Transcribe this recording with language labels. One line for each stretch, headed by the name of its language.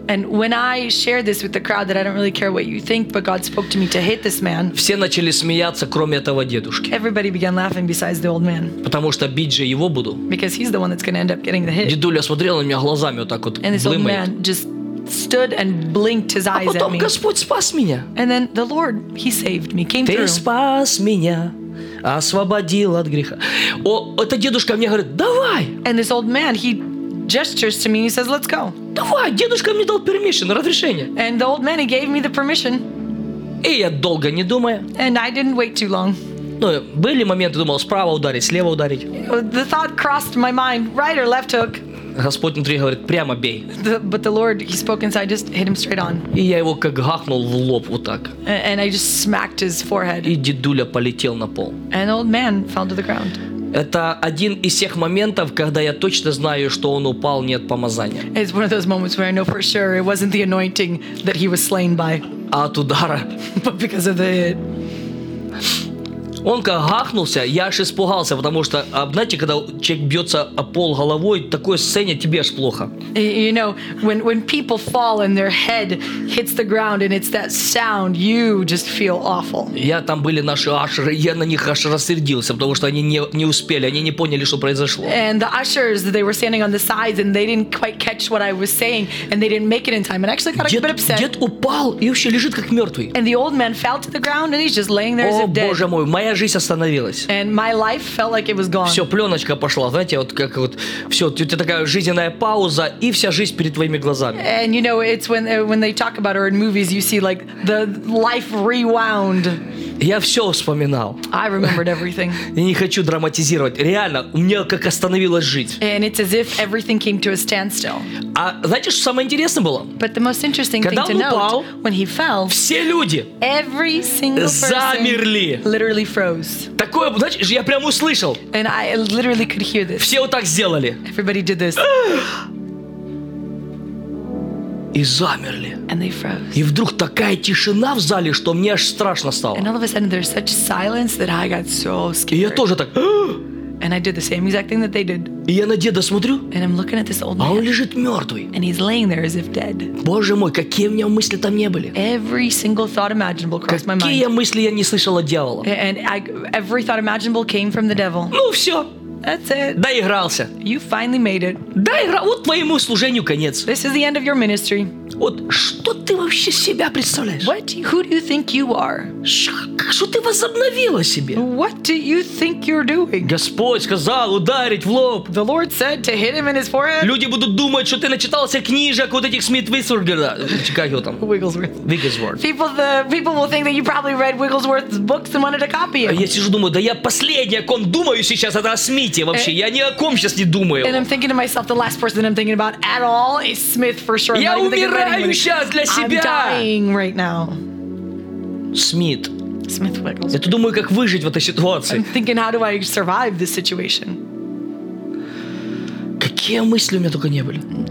English: And when I shared this with the crowd that I don't really care what you think, but God spoke to me to hit this man.
Russian: Все начали смеяться, кроме этого дедушки.
English: Everybody began laughing besides the old man.
Russian: Потому что бить же его буду.
English: Because he's the one that's going to end up getting the hit.
Russian: Дедуля смотрел на меня глазами вот так вот.
English: And this old man just stood and blinked his eyes
Russian: потом,
English: at me.
Russian: Господь спас меня.
English: And then the Lord, he saved me, came
Russian: Ты
English: through.
Russian: Ты спас меня, освободил от греха. О, это дедушка мне говорит, давай.
English: And this old man, he gestures to me and he says, let's go.
Russian: Давай, дедушка мне дал permission, разрешение.
English: And the old man, he gave me the permission.
Russian: И я долго не думая.
English: And I didn't wait too long.
Russian: Ну, были моменты, думал, справа ударить, слева ударить.
English: The thought crossed my mind, right or left hook.
Russian: Господь внутри говорит, прямо бей.
English: But the Lord, he spoke inside, just hit him straight on.
Russian: И я его как гахнул в лоб вот так.
English: And I just smacked his forehead.
Russian: И дедуля полетел на пол.
English: And old man fell to the ground.
Russian: Это один из тех моментов, когда я точно знаю, что он упал не от помазания.
English: It's one of those moments where I know for sure it wasn't the anointing that he was slain by.
Russian: А от удара.
English: But because of the hit.
Russian: Он как гахнулся, я аж испугался, потому что, знаете, когда человек бьется о пол головой, такой сцене тебе аж плохо.
English: You know, when people fall and their head hits the ground and it's that sound, you just feel awful.
Russian: Я там были наши ашеры, я на них аж рассердился, потому что они не успели, они не поняли, что произошло.
English: And the ushers, they were standing on the sides and they didn't quite catch what I was saying and they didn't make it in time and actually got a bit upset.
Russian: Дед упал и вообще лежит как мертвый.
English: And the old man fell to the ground and he's just laying there as if dead.
Russian: О, Боже мой, моя жизнь остановилась.
English: And my life felt like it was gone.
Russian: Все, пленочка пошла, знаете, вот как вот, все, у тебя такая жизненная пауза, и вся жизнь перед твоими глазами.
English: And you know, it's when they talk about her in movies, you see like the life rewound.
Russian: Я все вспоминал.
English: I remembered everything.
Russian: Я не хочу драматизировать. Реально, у меня как остановилась жизнь.
English: And it's as if everything came to a standstill.
Russian: А знаете, что самое интересное было?
English: But the most interesting
Russian: Когда
English: thing to
Russian: упал,
English: note, when he fell,
Russian: все люди
English: every single person
Russian: замерли.
English: Literally froze.
Russian: Такое, знаешь, я прям услышал.
English: And I literally could hear this.
Russian: Все вот так сделали.
English: Everybody did this.
Russian: И замерли.
English: And they froze.
Russian: И вдруг такая тишина в зале, что мне аж страшно стало.
English: And all of a sudden there's such silence that I got so scared.
Russian: И я тоже так.
English: And I did the same exact thing that they did.
Russian: И я на деда смотрю.
English: And I'm looking at this old man.
Russian: А он лежит мертвый.
English: And he's laying there as if dead.
Russian: Боже мой, какие у меня мысли там не были.
English: Every single thought imaginable crossed my mind.
Russian: Какие мысли я не слышал от дьявола.
English: And every thought imaginable came from the devil.
Russian: Ну все.
English: That's it.
Russian: Доигрался.
English: You finally made it.
Russian: Доиграл. Вот твоему служению конец.
English: This is the end of your ministry.
Russian: Вот что ты вообще себя представляешь?
English: What? Who do you think you are?
Russian: Что ты возобновил о себе?
English: What do you think you're doing?
Russian: Господь сказал ударить в лоб.
English: The Lord said to hit him in his forehead.
Russian: Люди будут думать, что ты начитался книжек вот этих Смит Виггинсворта. Чикаго там.
English: Wigglesworth. Wigglesworth. People will think that you probably read Wigglesworth's books and wanted a copy of.
Russian: Я сижу думаю, да я последний, о ком думаю сейчас, это о Смите вообще. Я ни о ком сейчас не думаю.
English: And I'm thinking to myself, the last person I'm thinking about at all is Smith for sure.
Russian: Я умираю сейчас для себя.
English: I'm dying right now.
Russian: Смит.
English: Smith Wigglesworth.
Russian: Я тут думаю, как выжить в этой ситуации.
English: I'm thinking, how do I survive this situation?
Russian: Какие мысли у меня только не были.